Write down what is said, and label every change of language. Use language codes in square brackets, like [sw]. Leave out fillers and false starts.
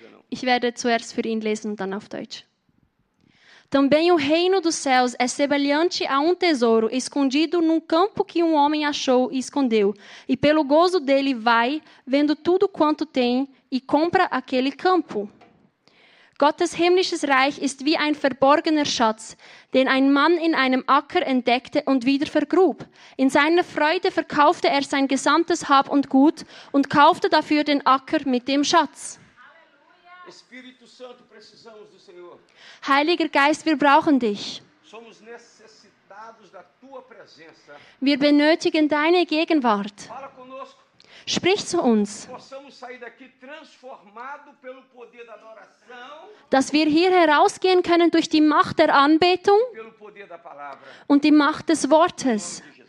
[de] Ich werde zuerst für ihn lesen und dann auf Deutsch. [pt] Também o reino dos céus é semelhante a um tesouro escondido num campo que um homem achou e escondeu. E pelo gozo dele vai, vendo tudo quanto tem, e compra aquele campo. [de] Gottes himmlisches Reich ist wie ein verborgener Schatz, den ein Mann in einem Acker entdeckte und wieder vergrub. In seiner Freude verkaufte er sein gesamtes Hab und Gut und kaufte dafür den Acker mit dem Schatz. [pt] Espírito Santo, precisamos do Senhor. [de] Heiliger Geist, wir brauchen dich. [pt] Somos necessitados da tua presença. [de] Wir benötigen deine Gegenwart. [pt] Fala conosco. [de] Sprich zu uns. [pt] Possamos sair daqui transformado pelo poder da adoração, [de] dass wir hier herausgehen können durch die Macht der Anbetung [pt] pelo poder da palavra. [de] Und die Macht des Wortes.